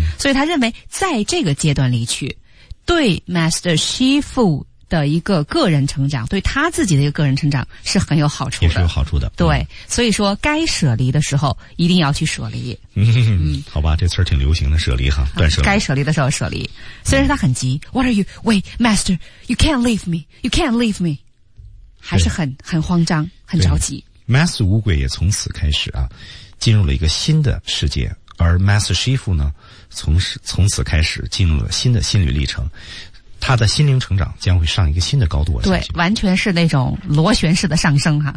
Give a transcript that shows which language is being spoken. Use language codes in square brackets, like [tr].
[zh] 所以他认为在这个阶段离去，对 Master 师傅的一个个人成长，对他自己的一个个人成长是很有好处的，也是有好处的。对、嗯、所以说该舍离的时候一定要去舍离。嗯，好吧，这词儿挺流行的，舍离哈，断舍离。该舍离的时候舍离，虽然他很急、嗯、 [en] What are you? Wait, master, you can't leave me, you can't leave me. [zh] 还是很慌张，很着急。 Master 乌龟也从此开始啊，进入了一个新的世界，而 Master 师傅呢，从此开始进入了新的心理历程，他的心灵成长将会上一个新的高度。对，完全是那种螺旋式的上升哈。